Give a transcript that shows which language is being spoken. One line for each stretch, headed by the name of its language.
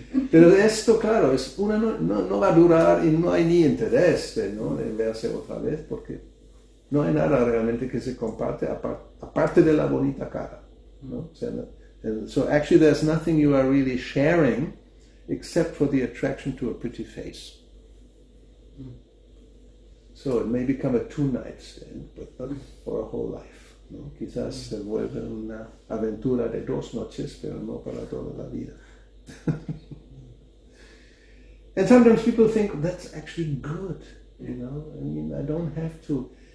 Spanish: Pero esto, claro, es una no va a durar y no hay ni interés, ¿no? De verse otra vez porque no hay nada realmente que se comparte aparte de la bonita cara, ¿no?
English: O sea, so actually there's nothing you are really sharing except for the attraction to a pretty face. So it may become a two-night stand, but not for a whole life. ¿No?
Spanish: Quizás se vuelve una aventura de dos noches, pero no para toda la vida.
English: And sometimes people think, that's actually good, you know? I mean, I don't have to...